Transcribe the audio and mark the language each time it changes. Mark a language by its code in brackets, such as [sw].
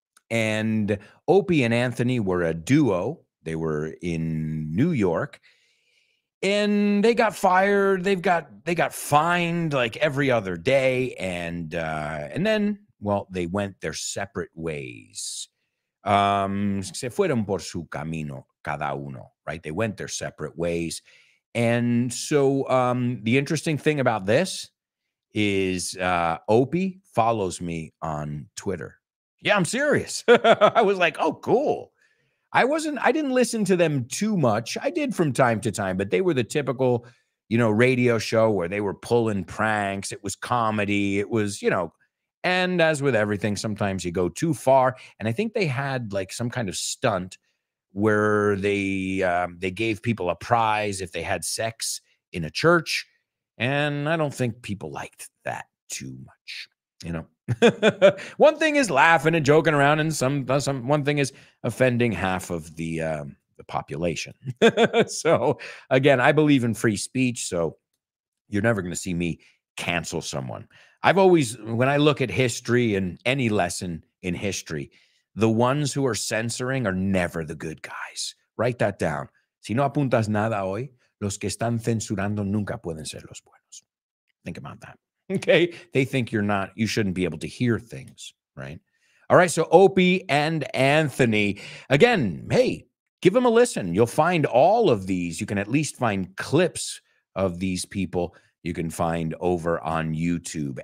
[en] And Opie and Anthony were a duo. They were in New York. And they got fired. They got fined like every other day. And then, well, they went their separate ways. [es] Se fueron por su camino cada uno, right? [en] They went their separate ways. And so the interesting thing about this is Opie follows me on Twitter. Yeah, I'm serious. I was like, oh, cool. I didn't listen to them too much. I did from time to time, but they were the typical, you know, radio show where they were pulling pranks. It was comedy. It was, you know, and as with everything, sometimes you go too far. And I think they had like some kind of stunt where they gave people a prize if they had sex in a church. And I don't think people liked that too much, you know. One thing is laughing and joking around, and some one thing is offending half of the population. So again, I believe in free speech, so you're never going to see me cancel someone. I've always, when I look at history and any lesson in history, the ones who are censoring are never the good guys. Write that down. [es] Si no apuntas nada hoy, los que están censurando nunca pueden ser los buenos. [en] Think about that. Okay, they think you shouldn't be able to hear things, right? All right, so Opie and Anthony. Again, hey, give them a listen. You'll find all of these. You can at least find clips of these people you can find over on YouTube.